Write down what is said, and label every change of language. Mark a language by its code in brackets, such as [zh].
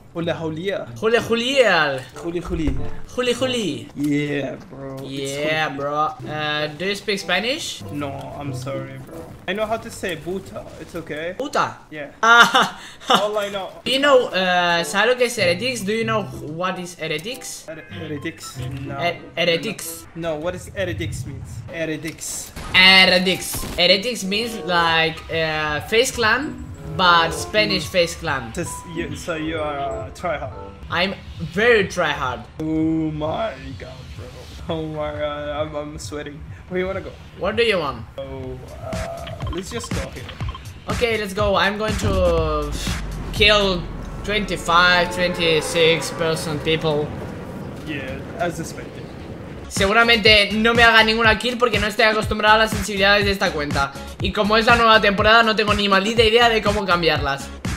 [es] Hola, Julia. Hola, Julia. Juli, Juli. Juli, Juli. [en] Yeah, bro. Yeah, bro. Do you speak Spanish? No, I'm sorry, bro. I know how to say puta. It's okay. [es] Puta. [en] Yeah. All I know. [es] ¿Sabes lo que es heretics? [en] Do you know what is heretics? Heretics. No. Heretics. No. What is heretics means? Heretics. Heretics. Heretics means like face clan. But Spanish face clan. So you are tryhard. I'm very tryhard. Oh my god, bro. Oh my god, I'm sweating. Where you wanna go? What do you want? Oh, let's just go here. Okay, let's go. I'm going to kill 25, 26 person people. Yeah, as expected. [es] Seguramente no me haga ninguna kill porque no estoy acostumbrado a las sensibilidades de esta cuenta. Y como es la nueva temporada, no tengo ni maldita idea de cómo cambiarlas.